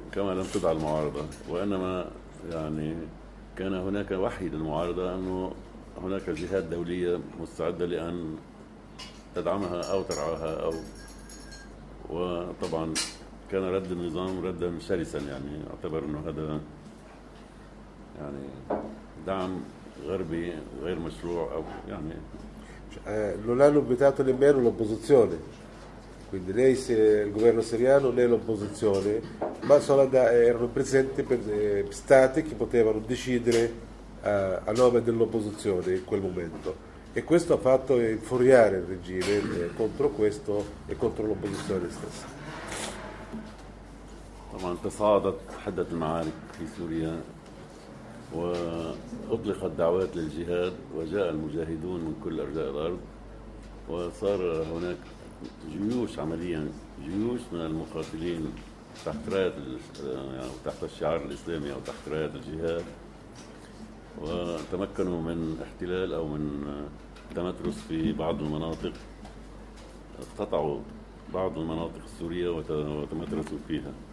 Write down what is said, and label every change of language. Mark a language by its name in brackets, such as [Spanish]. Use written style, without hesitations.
[Arabic] كما لم تدع المعارضة وإنما يعني كان هناك وحي للمعارضة أنه هناك جهات دولية مستعدة لأن تدعمها أو ترعاها أو وطبعا كان رد النظام ردا شرسا، يعني اعتبر أنه هذا يعني دعم غربي غير مشروع أو يعني [Italian] non hanno invitato nemmeno l'opposizione, quindi né il governo siriano né l'opposizione, ma erano presenti per stati che potevano decidere a nome dell'opposizione in quel momento, e questo ha fatto infuriare il regime contro questo e contro l'opposizione stessa. [Arabic] وأطلقت دعوات للجهاد وجاء المجاهدون من كل أرجاء الأرض وصار هناك جيوش عمليا جيوش من المقاتلين تحت راية يعني تحت الشعار الإسلامي أو تحت راية الجهاد وتمكنوا من احتلال أو من تمترس في بعض المناطق اقتطعوا بعض المناطق السورية وتمترسوا فيها.